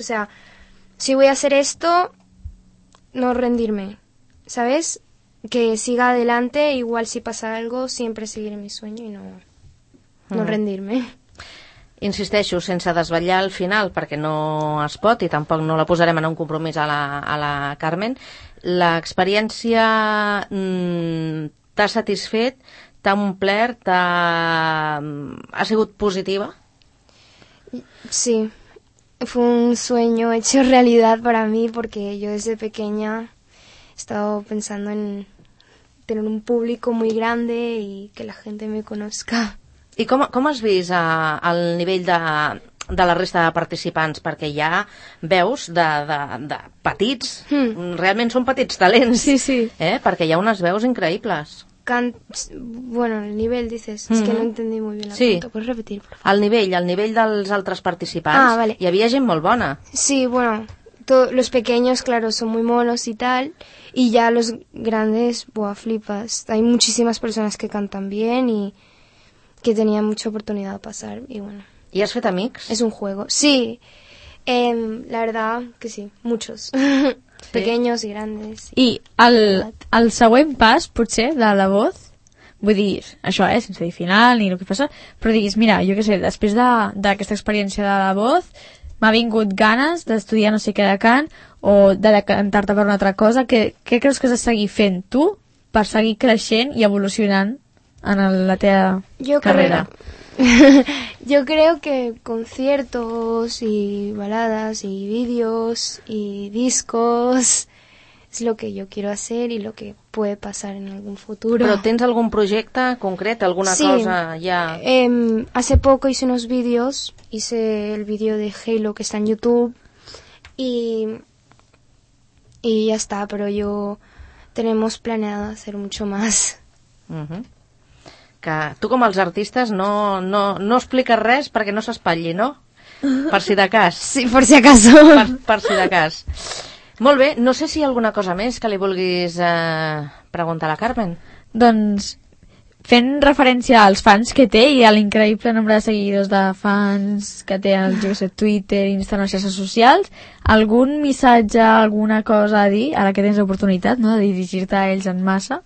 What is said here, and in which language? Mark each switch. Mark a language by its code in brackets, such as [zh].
[es] O sea, si voy a hacer esto, no rendirme. ¿Sabes? Que siga adelante, igual si pasa algo, siempre seguiré mi sueño y no rendirme. [ca] Insisteixo, sense desvetllar el final, perquè no es pot i tampoc no la posarem en un compromís a la Carmen, l'experiència t'ha satisfet, t'ha omplert, ha sigut positiva? [es] Sí, fue un sueño hecho realidad para mí, porque yo desde pequeña... He estado pensando en tener un público muy grande y que la gente me conozca. [ca] I com has vist el nivell de la resta de participants? Perquè hi ha veus de petits, realment són petits talents. Sí, sí. Perquè hi ha unes veus increïbles. [es] Bueno, el nivell, dices. Mm-hmm. Es que no entendí muy bien la sí. pregunta. ¿Puedes repetir, por favor? [ca] El nivell dels altres participants. [es] Ah, vale. [ca] Hi havia gent molt bona. [es] Sí, bueno... Los pequeños, claro, son muy monos y tal, y ya los grandes, buah, flipas. Hay muchísimas personas que cantan bien y que tenía mucha oportunidad de pasar, y bueno. [ca] ¿Y has fet amics? [es] Es un juego. Sí, la verdad que sí, muchos. Sí. Pequeños y grandes. [ca] I el següent pas, potser, de la voz, vull dir, això, sense dir final ni el que passa, però diguis, mira, jo què sé, després d'aquesta experiència de la voz... m'ha vingut ganes d'estudiar no sé què de cant o de cantar-te per una altra cosa. Què creus que has de seguir fent tu per seguir creixent i evolucionant en la teva carrera? [es] Yo creo que conciertos y baladas y vídeos y discos es lo que yo quiero hacer y lo que puede pasar en algún futuro. [ca] ¿Pero tens algun projecte concret, alguna sí, cosa ya? [es] Hace poco hice unos vídeos, hice el vídeo de Halo que está en YouTube y ya está, pero yo tenemos planeado hacer mucho más. [ca] Que tu com els artistes no expliques res perquè no s'espatlli, no? Per si de cas. Sí, per si acaso. Per si de cas. Molt bé, no sé si hi ha alguna cosa més que li vulguis preguntar a la Carmen. Doncs, fent referència als fans que té i a l'increïble nombre de seguidors de fans que té al Twitter, Instagram, xarxes socials, algun missatge, alguna cosa a dir, ara que tens l'oportunitat, no, de dirigir-te a ells en massa?